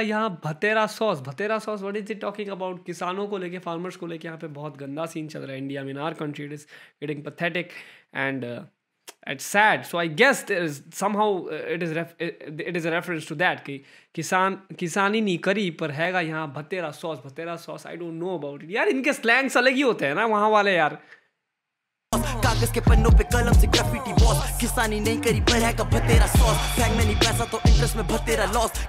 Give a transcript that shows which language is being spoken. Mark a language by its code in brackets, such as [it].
[hi] यहाँ भतेरा sauce [en] What is it talking about. [hi] किसानों को लेके फार्मर्स को लेके यहाँ पे बहुत गंदा सीन चल रहा है इंडिया में. [en] In our country it is getting pathetic and It's sad. So I guess there is somehow it is a reference to that. [hi] किसानी नहीं करी पर हैगा यहाँ भतेरा sauce. [en] I don't know about it. [hi] यार इनके slangs अलग ही होते हैं ना वहाँ वाले यार. कागज के पन्नों पे कलम से graffiti boss. किसानी नहीं करी पर हैगा भतेरा सॉस. Bank में नहीं पैसा तो interest में भतेरा loss.